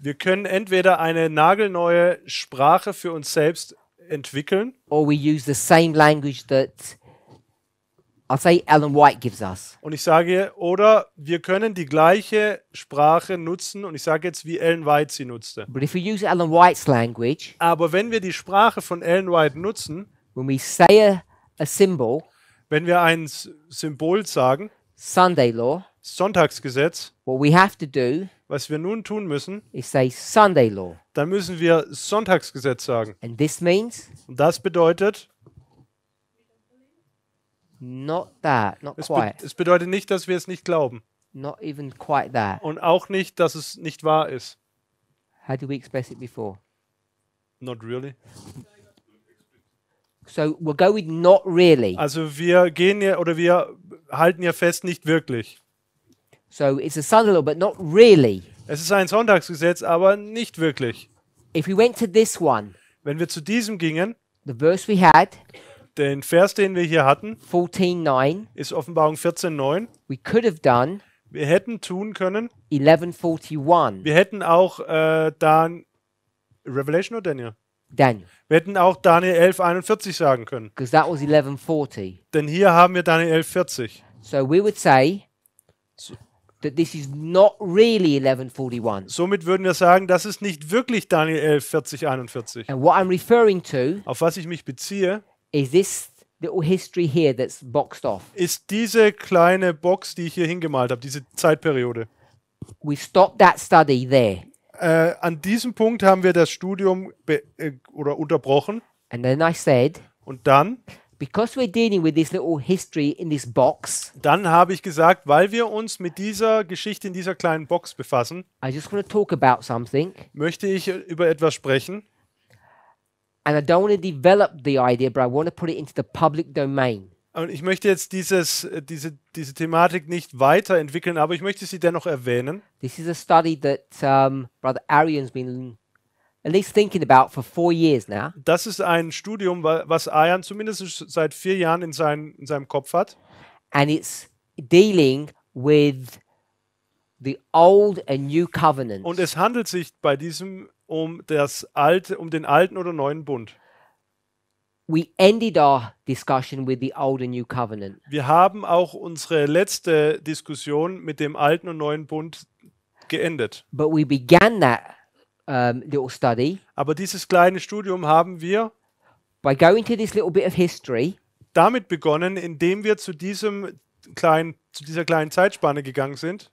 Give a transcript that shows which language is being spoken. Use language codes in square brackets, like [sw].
[de] Wir können entweder eine nagelneue Sprache für uns selbst entwickeln. [en] Or we use the same language that I'll say Ellen White gives us. [de] Und ich sage, oder wir können die gleiche Sprache nutzen und ich sage jetzt, wie Ellen White sie nutzte. [en] But if we use Ellen White's language, [de] aber wenn wir die Sprache von Ellen White nutzen, [en] when we say a symbol, [de] wenn wir ein Symbol sagen, [en] Sunday law, [de] Sonntagsgesetz, [en] what we have to do, [de] was wir nun tun müssen, [en] is say Sunday law. [de] Dann müssen wir Sonntagsgesetz sagen. [en] And this means, [de] und das bedeutet, [en] Not that, not quite. [de] Es bedeutet nicht, dass wir es nicht glauben. [en] Not even quite that. [de] Und auch nicht, dass es nicht wahr ist. [en] How do we express it before? Not really. So we're going not really. [de] Also wir gehen ja oder wir halten ja fest, nicht wirklich. [en] So it's a Sunday law, but not really. [de] Es ist ein Sonntagsgesetz, aber nicht wirklich. [en] If we went to this one, [de] wenn wir zu diesem gingen, [en] the verse we had, [de] den Vers, den wir hier hatten, [en] 14:9, [de] ist Offenbarung 14:9. [en] We could have done. [de] Wir hätten tun können. [en] 11:41. [de] Wir hätten auch dann Revelation oder Daniel? Daniel. Wir hätten auch Daniel 11:41 sagen können. [en] Because that was 11:40. [de] Denn hier haben wir Daniel 11:40. [en] So we would say that this is not really 11:41. [de] Somit würden wir sagen, das ist nicht wirklich Daniel 11:40:41. [en] And what I'm referring to, [de] auf was ich mich beziehe, [en] is this little history here that's boxed off. [de] Ist diese kleine Box, die ich hier hingemalt habe, diese Zeitperiode. [en] We stopped that study there. [de] An diesem Punkt haben wir das Studium oder unterbrochen. [en] And then I said, [de] und dann, [en] because we're dealing with this little history in this box, [de] dann habe ich gesagt, weil wir uns mit dieser Geschichte in dieser kleinen Box befassen, [en] I just want to talk about something, [de] möchte ich über etwas sprechen. [en] And I don't want to develop the idea, but I want to put it into the public domain. [de] Und ich möchte jetzt diese Thematik nicht weiterentwickeln, aber ich möchte sie dennoch erwähnen. [en] This is a study that Brother Arian's been at least thinking about for 4 years now. [de] Das ist ein Studium, was Arian zumindest seit 4 Jahren in seinem Kopf hat. [en] And it's dealing with the old and new covenant. [de] Und es handelt sich bei diesem um den alten oder neuen Bund. [en] We ended our discussion with the old and new covenant. [de] Wir haben auch unsere letzte Diskussion mit dem alten und neuen Bund geendet. [en] But we began that little study. [de] Aber dieses kleine Studium haben wir [en] by going to this little bit of history. [de] Damit begonnen, indem wir zu dieser kleinen Zeitspanne gegangen sind.